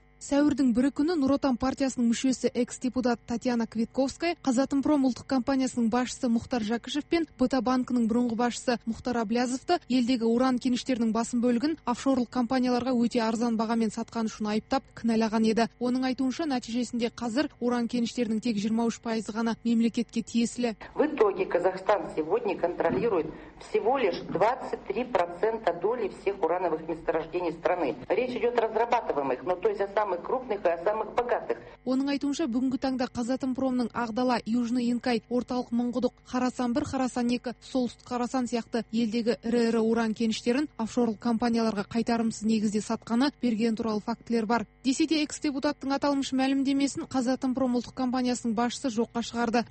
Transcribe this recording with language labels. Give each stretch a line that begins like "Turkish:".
Kazakh: Сәуірдің бірі күні Нұр Отан партиясының мүшесі экс-депутат Татьяна Квитковская, Қазатомпром ұлттық компаниясының басшысы Мұхтар Жәкішев пен БТА банкінің бұрынғы басшысы Мұхтар Аблязовты елдегі уран кеніштерінің басым бөлігін офшорлық компанияларға өте арзан бағамен сатқаны үшін айыптап, кінәлаған еді. Оның айтуынша, нәтижесінде қазір уран кеніштерінің тек 23% ғана мемлекетке тиесілі.
Russian: В итоге Казахстан сегодня контролирует всего лишь 23% доли всех урановых месторождений страны. Речь идет о разрабатываемых, но то есть самых крупных и самых богатых.
Kazakh: Оның айтуынша, бүгінгі таңда Қазатомпромның Ақдала, Южный Инкай, Орталық Мыңғұдық, Харасан 1, Харасан 2, Солтүстік Харасан сияқты елдегі ірі-ірі уран кеніштерін офшорлық компанияларға қайтарымсыз негізде сатқаны берген туралы фактілер бар. Десе де экс-депутаттың аталмыш мәлімдемесін Қазатомпром ұлттық компаниясының басшысы жоққа шығарды.